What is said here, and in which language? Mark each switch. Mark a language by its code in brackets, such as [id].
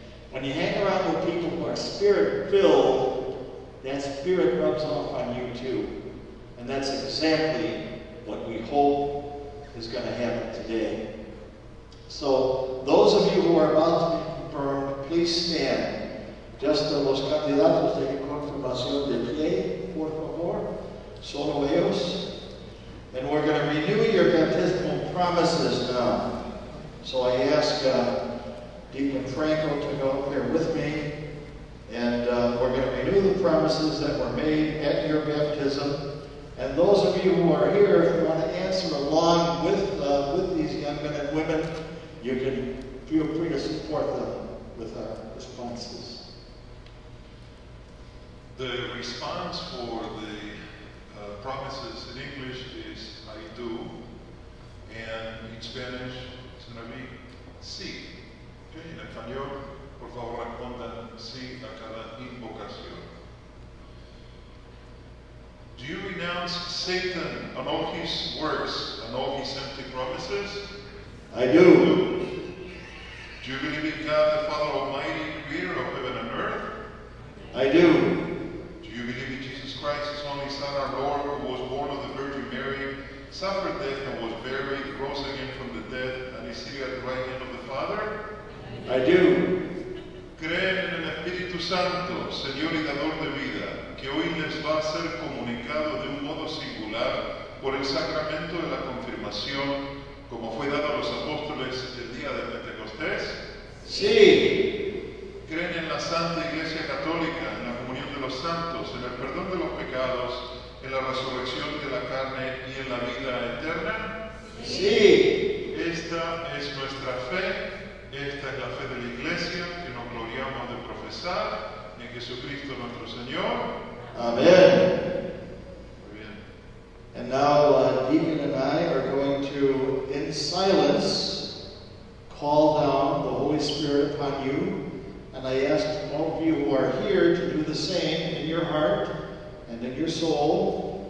[en] When you hang around with people who are Spirit-filled, that Spirit rubs off on you too. And that's exactly what we hope is going to happen today. So those of you who are about to be confirmed, please stand. [es] Just los candidatos de confirmación de pie, por favor. Solo ellos. [en] And we're going to renew your baptismal promises now. So I ask Deacon Franco to go up here with me. And we're going to renew the promises that were made at your baptism. And those of you who are here, if you want to answer along with these young men and women, you can feel free to support them with our responses. The response for the promises in English is I do, and in Spanish it's going to be sí. [es] Okay, en español, por favor, respondan sí a cada invocación. [en] Do you renounce Satan and all his works and all his empty promises? I do. Do you believe in God, the Father Almighty, creator of heaven and earth? I do. Do you believe in Jesus Christ, his only Son, our Lord, who was born of the Virgin Mary, suffered death and was buried, rose again from the dead, and is seated at the right hand of the Father? I do. [es] Creen en el Espíritu Santo, Señor y Dador de vida, que hoy les va a ser comunicado de un modo singular por el sacramento de la confirmación, como fue dado a los apóstoles el día de Pentecostés? Sí. Creen en la Santa Iglesia Católica, en la comunión de los santos, en el perdón de los pecados, en la resurrección de la carne y en la vida eterna? Sí. Esta es nuestra fe. Esta es la fe de la Iglesia que nos gloriamos de profesar en Jesucristo nuestro Señor. Amén. Muy bien. [en] And now Deacon and I are going to, in silence, call down the Holy Spirit upon you. And I ask all of you who are here to do the same in your heart and in your soul.